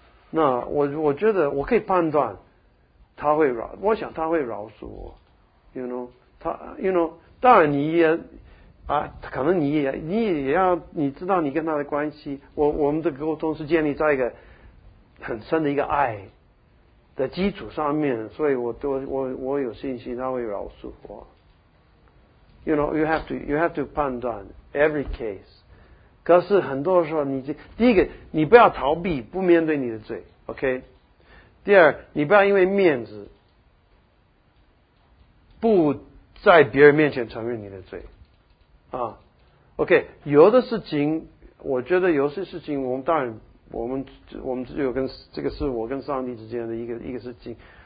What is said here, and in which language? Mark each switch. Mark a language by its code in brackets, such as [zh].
[zh] 那我觉得我可以判断他会饶，我想他会饶恕我 [en] you know, [zh] 他 you know, 当然你也啊，可能你也要你知道你跟他的关系，我们的沟通是建立在一个很深的一个爱的基础上面，所以我有信心他会饶恕我。 [en] You know, you have to [zh] 判断 [en] every case. [zh] 可是很多时候第一个你不要逃避不面对你的罪 ，OK。第二，你不要因为面子不在别人面前承认你的罪。啊 ，OK， 有的事情，我觉得有些事情，我们当然，我们只有跟这个是我跟上帝之间的一个事情。